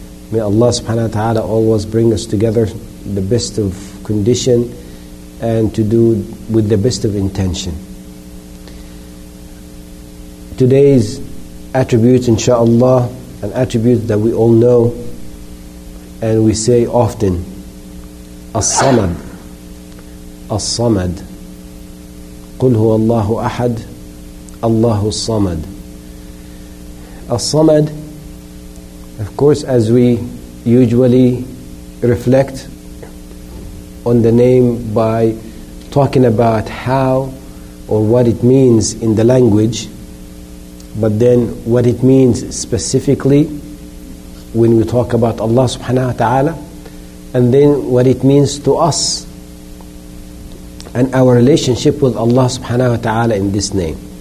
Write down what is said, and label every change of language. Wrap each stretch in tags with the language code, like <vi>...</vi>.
<en>May Allah subhanahu wa ta'ala always bring us together the best of condition and to do with the best of intention. Today's attribute, inshaAllah, an attribute that we all know and we say often, As-Samad. As-Samad.</en> <ar>قل هو الله أحد الله الصمد.</ar> <en>As-Samad, of course, as we usually reflect on the name by talking about how or what it means in the language, but then what it means specifically when we talk about Allah subhanahu wa ta'ala, and then what it means to us and our relationship with Allah subhanahu wa ta'ala in this name.</en>